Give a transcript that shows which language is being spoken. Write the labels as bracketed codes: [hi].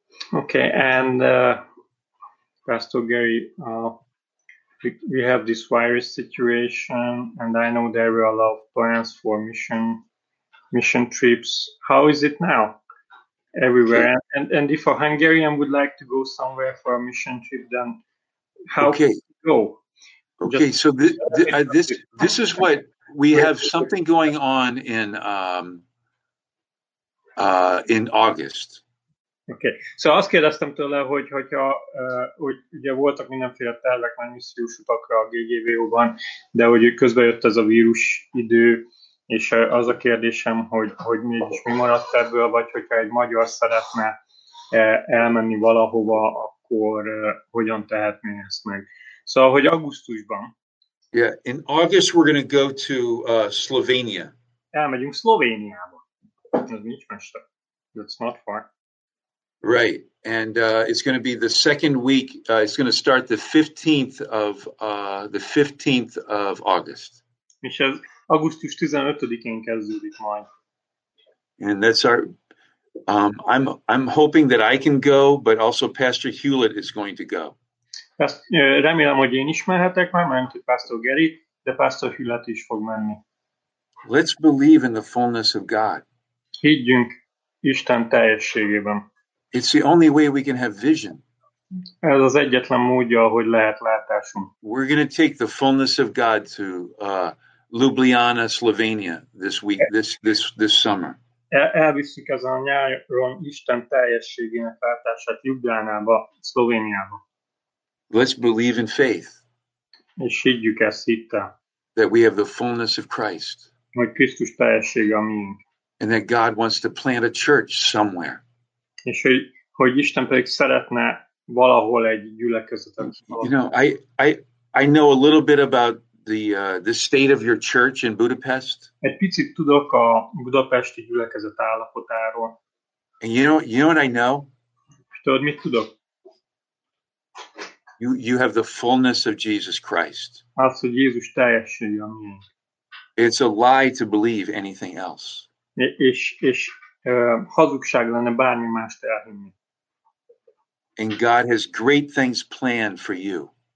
[en] Oké, and Pastor Gary, we have this virus situation, and I know there were a lot of plans for mission trips. How is it now? Everywhere. Okay. And if a Hungarian would like to go somewhere for a mission trip, then how okay. can go? Okay, just so this is what we have something going on in August. Okay. [hu] So azt kérdeztem tőle, hogy ugye voltak mindenféle tervek már missziós utakra a GGVO-ban, de hogy közben jött ez a vírus idő, és az a kérdésem, hogy mégis mi maradt ebből, vagy hogyha egy magyar szeretne elmenni valahova, akkor hogyan tehetné ezt meg. Szóval, hogy augusztusban. [en] Yeah, in August we're going to go to Slovenia. [hu] Elmegyünk Szlovéniába. Ez nincs messze. [en] That's not far. Right, and it's going to be the second week. It's going to start the 15th of the 15th of August. [hu] És ez augusztus 15-én kezdődik majd. [en] And that's our. I'm hoping that I can go, but also Pastor Hewlett is going to go. [hu] Remélem, hogy én is mehetek már, mert Pastor Gary, de Pastor Hewlett is fog menni. [en] Let's believe in the fullness of God. [hu] Higgyünk Isten teljességében. [en] It's the only way we can have vision. [hu] Ez az egyetlen módja, hogy lehet látásunk. [en] We're going to take the fullness of God to Ljubljana, Slovenia this week, this summer. [hu] Elviszik ez a nyáron Isten teljességének látását Ljubljanába, Szlovéniába. [en] Let's believe in faith. [hu] És higgyük ezt hittel. [en] That we have the fullness of Christ. [hu] Hogy Krisztus teljessége a miénk. [en] And that God wants to plant a church somewhere. [hu] És hogy Isten pedig szeretne valahol egy gyülekezetet. [en] You know, I know a little bit about the state of your church in Budapest. [hu] Egy picit tudok a budapesti gyülekezet állapotáról. [en] And you know what I know? [hu] Tudod, mit tudok? [en] You have the fullness of Jesus Christ. [hu] Azt, hogy Jézus teljessége a miénk. [en] It's a lie to believe anything else. [hu] És hazugság lenne bármi mást elhinni. [en] And God has great things planned for you.